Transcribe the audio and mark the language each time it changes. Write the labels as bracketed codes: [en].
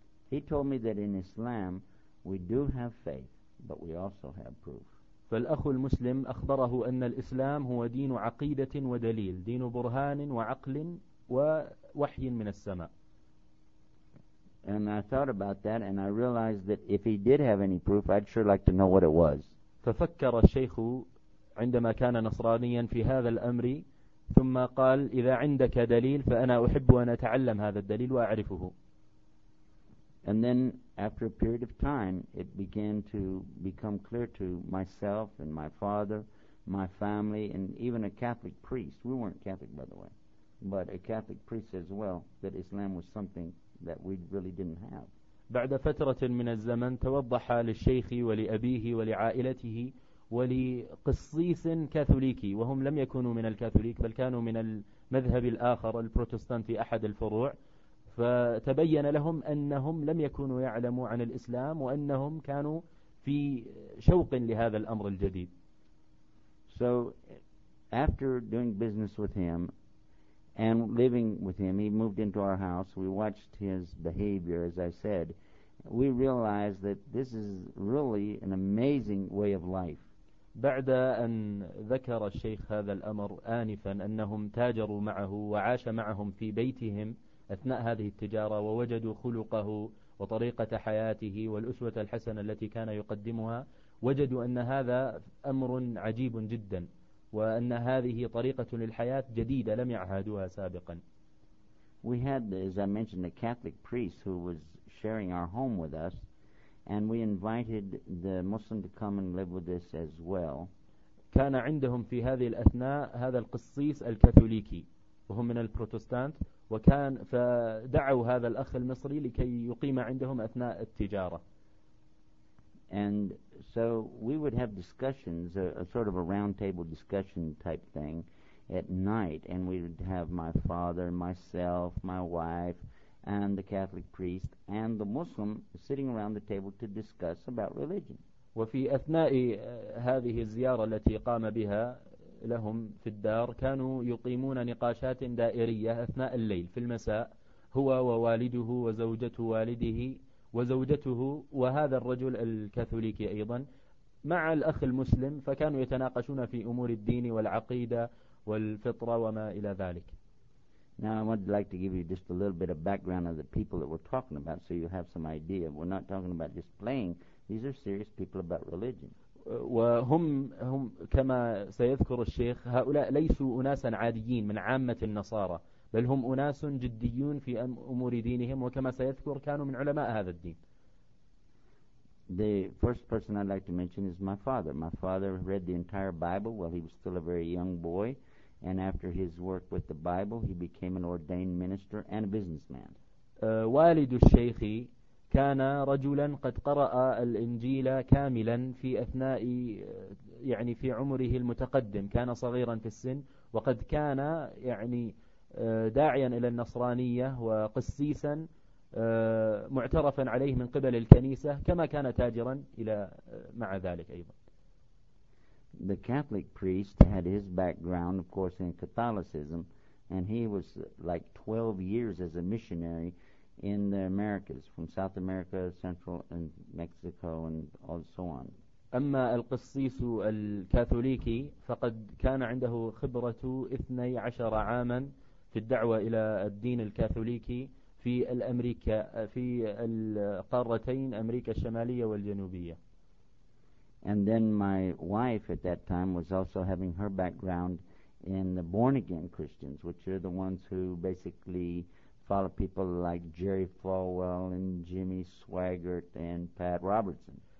[en] He told me that in Islam we do have faith, but we also have proof. [ar] فالأخ المسلم أخبره أن الإسلام هو دين عقيدة ودليل، دين برهان وعقل ووحي من السماء. [en] And I thought about that, and I realized that if he did have any proof, I'd sure like to know what it was. [ar] ففكر الشيخ عندما كان نصرانيا في هذا الأمر، ثم قال إذا عندك دليل فأنا أحب أن أتعلم هذا الدليل وأعرفه. [en] And then after a period of time it began to become clear to myself and my father, my family, and even a Catholic priest. We weren't Catholic, by the way, but a Catholic priest as well, that Islam was something that we really didn't have. [ar] بعد فترة من الزمن توضح للشيخ ولأبيه ولعائلته ولقصيص كاثوليكي، وهم لم يكونوا من الكاثوليك بل كانوا من المذهب الآخر البروتستانتي أحد الفروع، فتبين لهم أنهم لم يكونوا يعلموا عن الإسلام وأنهم كانوا في شوق لهذا الأمر الجديد. [en] So after doing business with him and living with him, he moved into our house. We watched his behavior, as I said. We realized that this is really an amazing way of life. [ar] بعد أن ذكر الشيخ هذا الأمر آنفا أنهم تاجروا معه وعاش معهم في بيتهم أثناء هذه التجارة ووجدوا خلقه وطريقة حياته والأسوة الحسنة التي كان يقدمها، وجدوا أن هذا أمر عجيب جدا وأن هذه طريقة للحياة جديدة لم يعهدوها سابقا. [en] We had, as I mentioned, a Catholic priest who was sharing our home with us, and we invited the Muslim to come and live with us as well. [ar] كان عندهم في هذه الأثناء هذا القصيص الكاثوليكي وهم من البروتستانت، وكان فدعوا هذا الأخ المصري لكي يقيم عندهم أثناء التجارة. [en] And so we would have discussions, a sort of a round table discussion type thing at night, and we would have my father, myself, my wife, and the Catholic priest and the Muslim sitting around the table to discuss about religion. [ar] وفي أثناء هذه الزيارة التي قام بها لهم في الدار كانوا يقيمون نقاشات دائرية أثناء الليل في المساء، هو ووالده وزوجة والده وزوجته وهذا الرجل الكاثوليكي أيضا مع الأخ المسلم، فكانوا يتناقشون في أمور الدين والعقيدة والفطرة وما إلى ذلك. [en] Now I would like to give you just a little bit of background of the people that we're talking about so you have some idea. We're not talking about just playing. These are serious people about religion. [ar] وهم كما سيذكر الشيخ هؤلاء ليسوا أناسا عاديين من عامة النصارى، بل هم أناس جديون في أمور دينهم، وكما سيذكر كانوا من علماء هذا الدين. [en] The first person I'd like to mention is my father. My father read the entire Bible while he was still a very young boy, and after his work with the Bible he became an ordained minister and a businessman. [ar] والد الشيخ كان رجلا قد قرأ الإنجيل كاملا في أثناء يعني في عمره المتقدم، كان صغيرا في السن وقد كان يعني داعيا إلى النصرانية وقسيسا معترفا عليه من قبل الكنيسة، كما كان تاجرا إلى مع ذلك أيضا. [en] The Catholic priest had his background of course in Catholicism, and he was like 12 years as a missionary in the Americas, from South America, Central and Mexico, and also on. [ar] أما القسيس الكاثوليكي فقد كان عنده خبرة 12 عاما في الدعوة إلى الدين الكاثوليكي في الأمريكا في القارتين أمريكا الشمالية والجنوبية. [en] And then my wife at that time was also having her background in the born again Christians, which are the ones who basically follow people like Jerry Falwell and Jimmy Swaggart and Pat Robertson.